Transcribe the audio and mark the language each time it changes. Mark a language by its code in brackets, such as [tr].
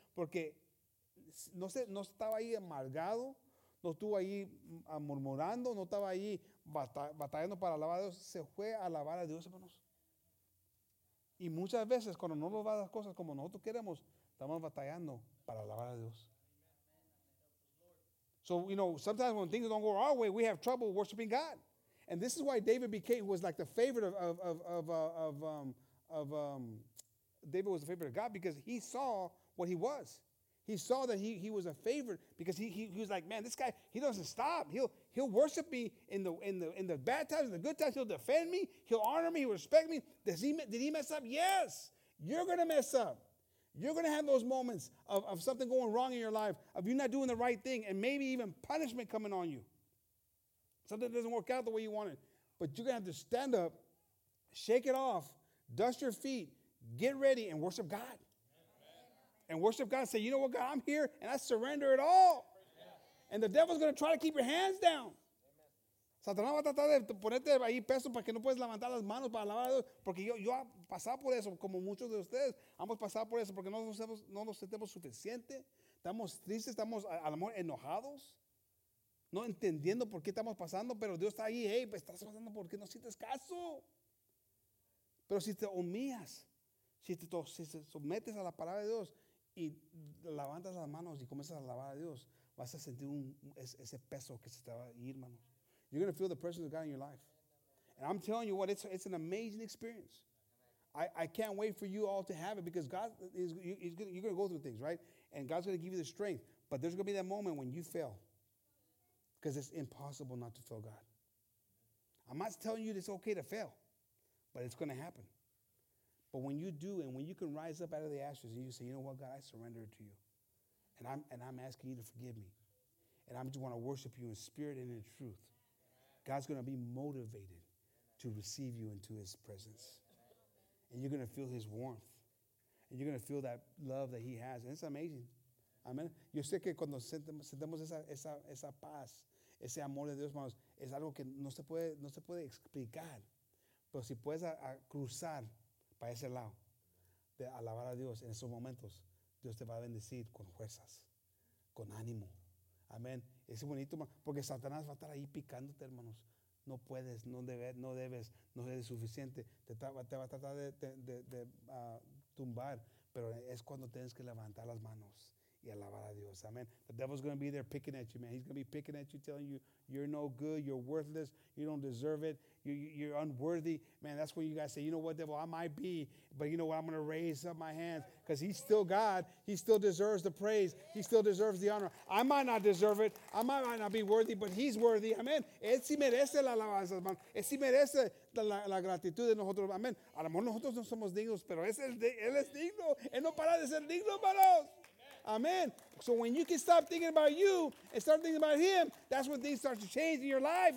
[es] Porque no estaba ahí amargado, no estuvo ahí murmurando, no estaba ahí batallando para alabar a Dios. Se fue a alabar a Dios, hermanos. Y muchas veces, cuando no nos va a las cosas como nosotros queremos, estamos batallando para alabar a Dios. [en] So, you know, sometimes when things don't go our way, we have trouble worshiping God. And this is why David was like the favorite David was the favorite of God, because he saw what he was. He saw that he was a favorite, because he was like, man, this guy, he doesn't stop. He'll worship me in the bad times and the good times. He'll defend me. He'll honor me. He'll respect me. Did he mess up? Yes. You're going to mess up. You're going to have those moments of something going wrong in your life, of you not doing the right thing, and maybe even punishment coming on you. Something doesn't work out the way you want it. But you're going to have to stand up, shake it off, dust your feet, get ready, and worship God. Amen. And worship God and say, you know what, God, I'm here, and I surrender it all. Yeah. And the devil's going to try to keep your hands down. [es] Satanás va a tratar de ponerte ahí peso para que no puedas levantar las manos para alabar a Dios. Porque yo he pasado por eso, como muchos de ustedes. Hemos pasado por eso porque no nos sentimos suficiente. Estamos tristes, estamos a lo mejor enojados. No entendiendo por qué estamos pasando, pero Dios está ahí. Hey, pues estás pasando porque no sientes caso. Pero si te humillas, si te sometes a la palabra de Dios y levantas las manos y comienzas a alabar a Dios, vas a sentir ese peso que se te va a ir, hermano. [en] You're going to feel the presence of God in your life. And I'm telling you what, it's an amazing experience. I can't wait for you all to have it, because God is you're going to go through things, right? And God's going to give you the strength. But there's going to be that moment when you fail, because it's impossible not to fail God. I'm not telling you it's okay to fail, but it's going to happen. But when you do, and when you can rise up out of the ashes and you say, you know what, God, I surrender it to you. And I'm asking you to forgive me. And I just want to worship you in spirit and in truth. God's going to be motivated to receive you into his presence. And you're going to feel his warmth. And you're going to feel that love that he has. And it's amazing. Amen. [es] Yo sé que cuando sentemos esa paz, ese amor de Dios, hermanos, es algo que no se puede explicar. Pero si puedes cruzar para ese lado, de alabar a Dios en esos momentos, Dios te va a bendecir con fuerzas, con ánimo. Amén. Es bonito, porque Satanás va a estar ahí picándote, hermanos. No puedes, no debes, no eres suficiente. Te va a tratar de tumbar, pero es cuando tienes que levantar las manos y alabar a Dios. Amén. [en] The devil's going to be there picking at you, man. He's going to be picking at you, telling you, you're no good, you're worthless, you don't deserve it, you're unworthy. Man, that's when you guys say, you know what, devil, I might be, but you know what, I'm going to raise up my hands, because he's still God. He still deserves the praise. He still deserves the honor. I might not deserve it. I might not be worthy, but he's worthy. [es] Amen. Él sí merece la alabanza, hermano. Él sí merece la gratitud de nosotros. Amen. A lo mejor nosotros no somos dignos, pero él es digno. Él no para de ser digno, hermanos. [en] Amen. So when you can stop thinking about you and start thinking about him, that's when things start to change in your life.